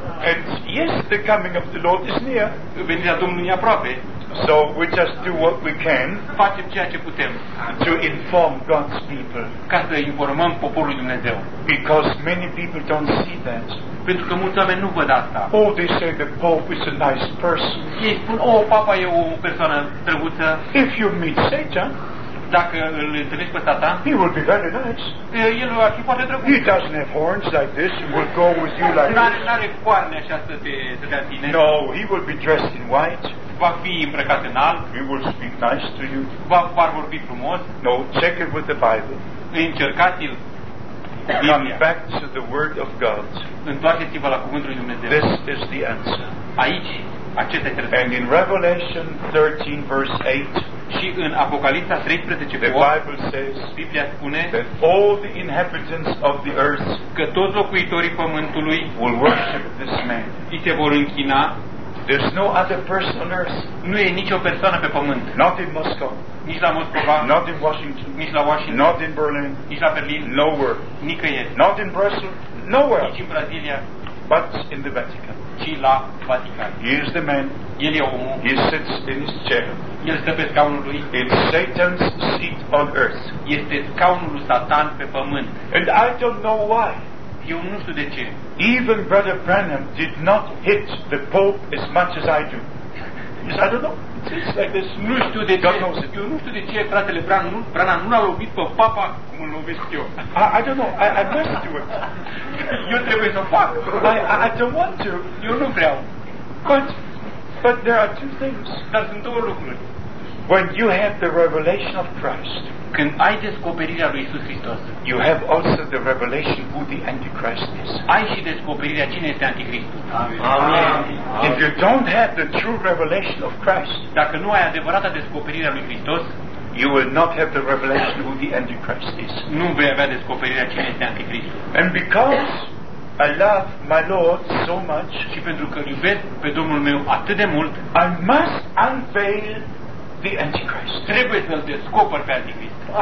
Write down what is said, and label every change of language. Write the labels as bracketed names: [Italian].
[English] And yes, the coming of the Lord is near. [Romanian] Venirea Domnului e aproape. [English] So we just do what we can. [Romanian] Facem ceea ce putem. [English] To inform God's people. [Romanian] Ca să informăm poporul lui Dumnezeu. [English] Because many people don't see that. [Romanian] Pentru că mulți oameni nu văd asta. [English] Oh, they say the Pope is a nice person. [Romanian] Ei spun, oh, Papa e o persoană drăguță. [English] If you meet Satan, [Romanian] dacă îl întâlnești pe Satan, [English] he will be very nice. [Romanian] El ar fi foarte drăguț. [English] He doesn't have horns like this and will go with you like this. [Romanian] N-are coarne așa să te dea tine. [English] No, he will be dressed in white. [Romanian] Va fi îmbrăcat în alb. [English] He will speak nice to you. [Romanian] Va vorbi frumos. [English] No, check it with the Bible. [Romanian] Încercați-l. [English] Come back to the word of God. [Romanian] Întoarceți-vă la cuvântul lui Dumnezeu. [English] This is the answer. [Romanian] Aici, acesta este răspunsul. [English] And in Revelation 13 verse 8, [Romanian] și în Apocalipsa 13 [English] the Bible says, [Romanian] Biblia spune, [English] that all the inhabitants of the earth, [Romanian] că toți locuitorii pământului, [English] will worship this man. [Romanian] Îi se vor închina. [English] There's no other person on earth. [Romanian] Nu e nicio persoană pe pământ. [English] Not in Moscow. [Romanian] Nici la Moscova. [English] Not in Washington. [Romanian] Nici la Washington. [English] Not in Berlin. [Romanian] Nici la Berlin. [English] Nowhere. [Romanian] Nicăieri. [English] Not in Brussels. Nowhere. [Romanian] Nici în Brazilia. [English] but in the Vatican. [Romanian] Ci la Vatican. [English] He is the man. [Romanian] El e omul. [English] He sits in his chair. [Romanian] El stă pe scaunul lui. [English] It's Satan's seat on earth. [Romanian] Este scaunul lui Satan pe pământ. [English] And I don't know why. [Romanian] Eu nu știu de ce. [English] Even Brother Branham did not hit the Pope as much as I do. I don't know. It's like this. [Romanian] Nu știu de ce. Eu nu știu de ce fratele Branham nu l-a lovit pe Papa cum îl lovesc eu. [English] I don't know. I must do it. [Romanian] Eu trebuie să fac. [English] I don't want to. [Romanian] Eu nu vreau. [English] But there are two things. [Romanian] Dar sunt două lucruri. [English] When you have the revelation of Christ, [Romanian] când ai descoperirea lui Iisus Hristos, [English] you have also the revelation who the Antichrist is. [Romanian] Ai și descoperirea cine este Antichristul. [English] Amen. Amen. If you don't have the true revelation of Christ, [Romanian] dacă nu ai adevărata descoperirea lui Hristos, [English] you will not have the revelation who the Antichrist is. [Romanian] Nu vei avea descoperirea cine este Antichristul. [English] And because I love my Lord so much, [Romanian] și pentru că iubesc pe Domnul meu atât de mult, [English] I must unveil the Antichrist. [Romanian] Trebuie să-l descoper pe Antichrist.